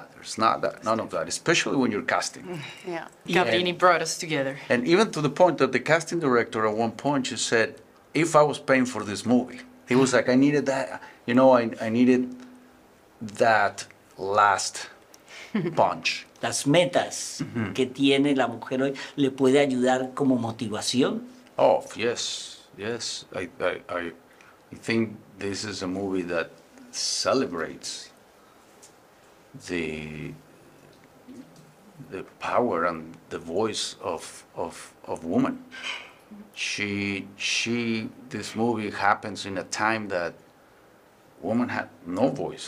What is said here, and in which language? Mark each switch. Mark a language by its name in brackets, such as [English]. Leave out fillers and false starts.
[English] Yeah, there's not that, none of that, especially when you're casting. Yeah, Cabrini brought us together. And even to the point that the casting director at one point just said, if I was paying for this movie, he was like, I needed that, you know, I needed that last punch. [Spanish] Las metas que tiene la mujer hoy le puede ayudar como motivación. [English] Oh, yes. I think this is a movie that celebrates the power and the voice of woman. She this movie happens in a time that woman had no voice.